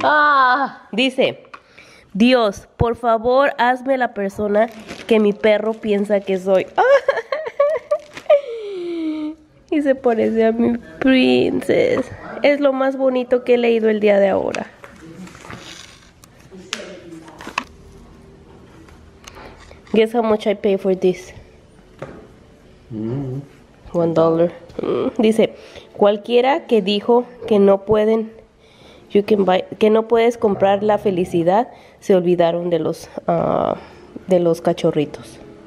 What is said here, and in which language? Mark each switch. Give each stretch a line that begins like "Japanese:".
Spanish: Ah, dice: Dios, por favor, hazme la persona que mi perro piensa que soy. Y se parece a mi princesa. Es lo más bonito que he leído el día de ahora.
English: Guess how much I pay for this. $1.
Spanish: Dice, cualquiera que dijo que no pueden, que no puedes comprar la felicidad, se olvidaron de los cachorritos.